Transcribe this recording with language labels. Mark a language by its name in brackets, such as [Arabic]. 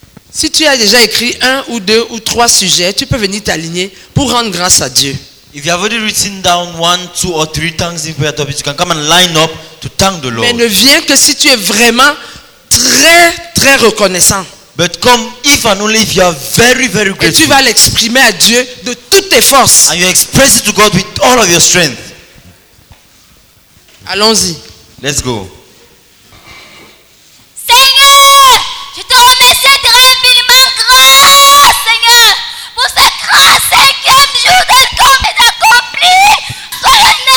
[French] Si tu as déjà écrit un ou deux ou trois sujets, tu peux venir t'aligner pour rendre grâce à Dieu. [English] If you have already written down one, two or three things in prayer topics, you can come and line up to thank the Lord. [French] Mais ne viens que si tu es vraiment très très reconnaissant. [English] But come if and only if you are very very grateful. [French] Et tu vas l'exprimer à Dieu de toutes tes forces. [English] And you express it to God with all of your strength. [French] Allons-y. [English] Let's go. [French] Seigneur, je te remercie infiniment grâce, Seigneur, pour ce grand cinquième jour de combat accompli.